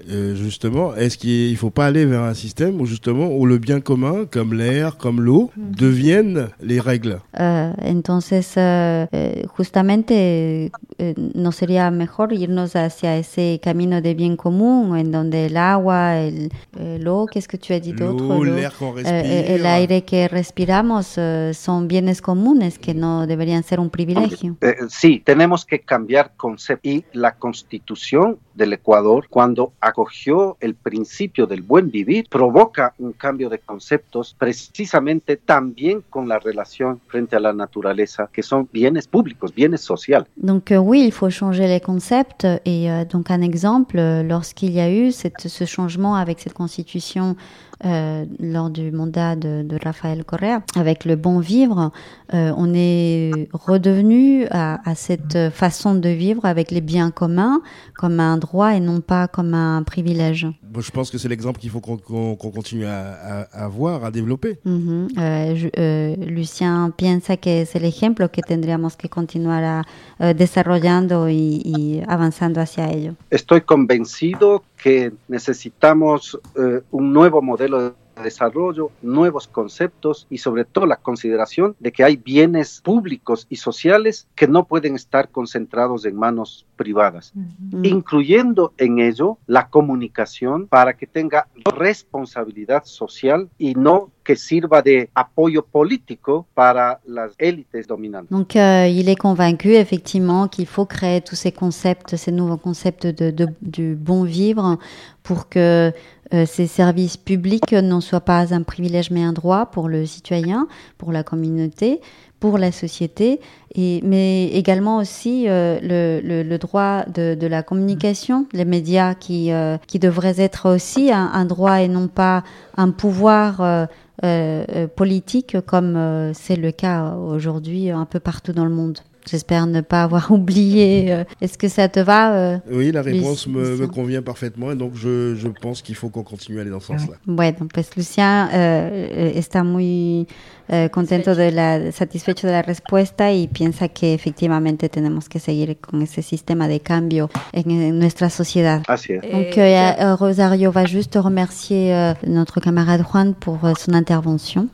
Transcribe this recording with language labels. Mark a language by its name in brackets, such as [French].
[French] Justement, est-ce qu'il ne faut pas aller vers un système où le bien commun, comme l'air, comme l'eau, deviennent les règles? [Spanish] Entonces, justamente, no sería mejor irnos hacia ese camino de bien común, en donde el agua, [French] l'eau, qu'est-ce que tu as dit d'autre? L'eau, l'air qu'on respire. [Spanish] L'aire que respiramos [French] sont [Spanish] bienes comunes que no deberían ser un privilegio. Sí, tenemos que cambiar concepto. Y la Constitución del Ecuador, cuando acogió el principio del buen vivir, provoca un cambio de conceptos precisamente también con la relación frente a la naturaleza, que son bienes públicos, bienes sociales. [French] Donc oui, il faut changer les concepts. Et donc un exemple, lorsqu'il y a eu ce changement avec cette Constitution lors du mandat de Rafael Correa, avec le bon vivre, on est redevenu à cette façon de vivre avec les biens communs comme un droit et non pas comme un privilège. Bon, je pense que c'est l'exemple qu'il faut qu'on continue à voir, à développer. [Spanish] Mm-hmm. Lucien piensa que [French] c'est l'exemple [Spanish] que tendríamos que continuar desarrollando y avanzando hacia ello. Estoy convencido que necesitamos un nuevo modelo de desarrollo, nuevos conceptos y sobre todo la consideración de que hay bienes públicos y sociales que no pueden estar concentrados en manos privadas, uh-huh. incluyendo en ello la comunicación para que tenga responsabilidad social y no que sirva de apoyo político para las élites dominantes. [French] Donc, il est convaincu effectivement qu'il faut créer tous ces concepts, ces nouveaux concepts du bon vivre pour que ces services publics ne soient pas un privilège mais un droit pour le citoyen, pour la communauté, pour la société, mais également aussi le droit de la communication, les médias qui devraient être aussi un droit et non pas un pouvoir politique comme c'est le cas aujourd'hui un peu partout dans le monde. J'espère ne pas avoir oublié. Est-ce que ça te va? Oui, la réponse me convient parfaitement. Et donc, je pense qu'il faut qu'on continue à aller dans ce sens-là. Oui, donc, parce que Lucien est très [Spanish] contento de la satisfecho de la respuesta y piensa que efectivamente tenemos que seguir con ese sistema de cambio en nuestra sociedad. Así es. [French] Donc Rosario va juste remercier notre camarade Juan pour son intervention.